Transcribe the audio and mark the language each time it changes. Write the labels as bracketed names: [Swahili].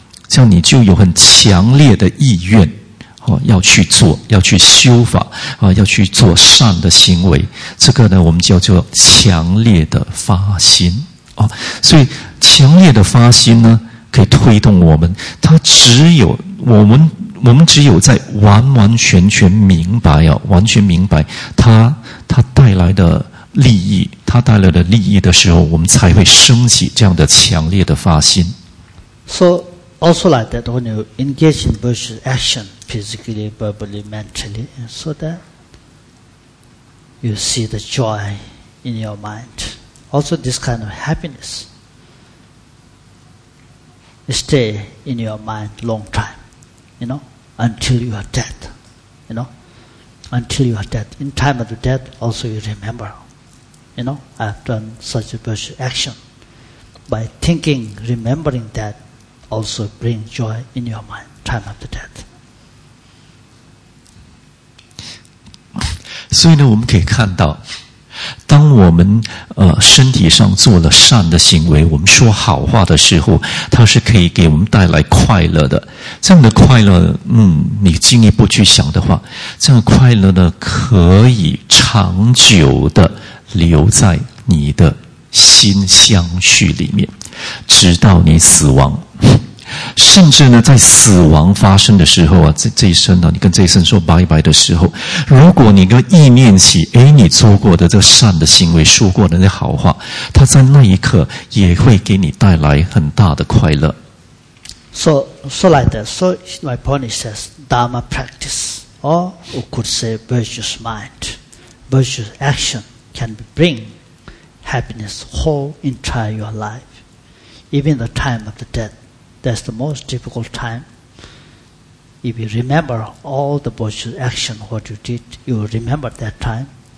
[Chinese] 这样你就有很强烈的意愿、要去做，要去修法、要去做善的行为，这个呢我们叫做强烈的发心、所以强烈的发心呢可以推动我们，它只有我们只有在完完全全明白、完全明白它带来的利益，它带来的利益的时候，我们才会升起这样的强烈的发心。 [English] So,Also like that, when you engage in virtuous action, physically, verbally, mentally, so that you see the joy in your mind. Also this kind of happiness stay in your mind long time, you know, until you are dead, you know, until you are dead. In time of the death, also you remember, you know, I've done such a virtuous action. By thinking, remembering that,also bring joy in your mind, time of the death. [Chinese] 所以呢，我们可以看到，当我们身体上做了善的行为，我们说好话的时候，它是可以给我们带来快乐的。这样的快乐，你进一步去想的话，这样的快乐呢，可以长久的留在你的心相续里面，直到你死亡。甚至呢，在死亡发生的时候啊，这一生呢、你跟这一生说拜拜的时候，如果你跟意念起，哎，你做过的这个善的行为，说过的那好话，它在那一刻也会给你带来很大的快乐。 [English] So like that. So my point is that Dharma practice, or we could say virtuous mind, virtuous action can bring happiness whole entire your life, even the time of the death. That's the most difficult time. If you remember all the positive action, what you did, you will remember that time.